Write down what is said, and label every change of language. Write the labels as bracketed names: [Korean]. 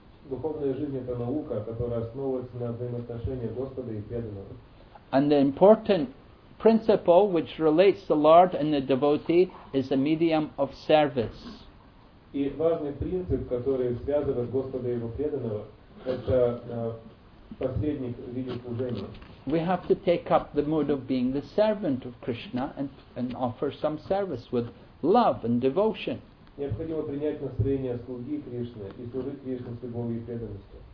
[Russian] Духовная жизнь — это наука, которая основывается на взаимоотношениях Господа и преданного. [English] And the important principle which relates the Lord and the devotee is the medium of service. [Russian] И важный принцип, который связывает Господа и его преданного, это посредник в виде служения. [English] We have to take up the mode of being the servant of Krishna and offer some service with love and devotion. [Russian] Необходимо принять настроение слуги Кришны и служить Кришне с любовью и преданностью.